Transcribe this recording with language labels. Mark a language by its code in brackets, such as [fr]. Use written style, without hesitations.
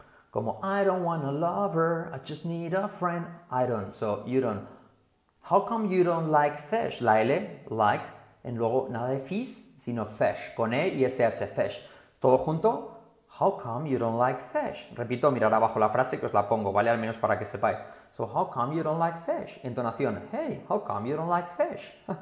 [es] Como, [en] I don't want a lover, I just need a friend, I don't, so you don't. How come you don't like fish? [es] La L, like, en luego nada de fish, sino fish, con E y SH, fish. Todo junto, [en] how come you don't like fish? [es] Repito, mirar abajo la frase que os la pongo, ¿vale? Al menos para que sepáis. [en] So how come you don't like fish? Entonación, hey, how come you don't like fish?